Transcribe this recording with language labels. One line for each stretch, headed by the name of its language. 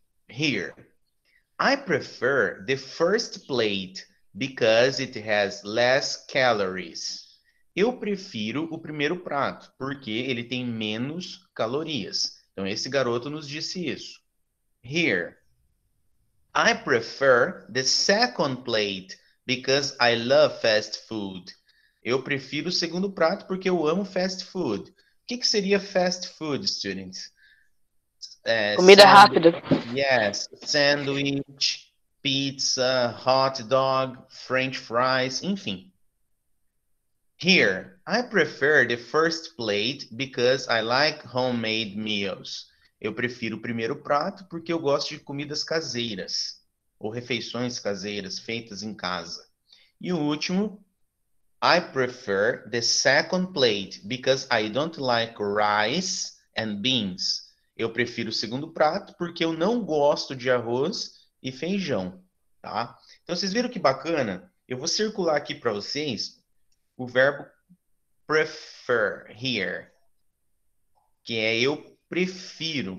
English: Here, I prefer the first plate because it has less calories.
Portuguese: Eu prefiro o primeiro prato, porque ele tem menos calorias. Então, esse garoto nos disse isso.
English: Here, I prefer the second plate because I love fast food.
Portuguese: Eu prefiro o segundo prato porque eu amo fast food. O que que seria fast food, students? Comida rápida.
English: Sandwich, pizza, hot dog, French fries, enfim. Here, I prefer the first plate because I like homemade meals.
Portuguese: Eu prefiro o primeiro prato porque eu gosto de comidas caseiras ou refeições caseiras feitas em casa. E o último,
English: I prefer the second plate because I don't like rice and beans.
Portuguese: Eu prefiro o segundo prato porque eu não gosto de arroz e feijão, tá? Então vocês viram que bacana? Eu vou circular aqui para vocês o verbo prefer here, que é eu prefiro.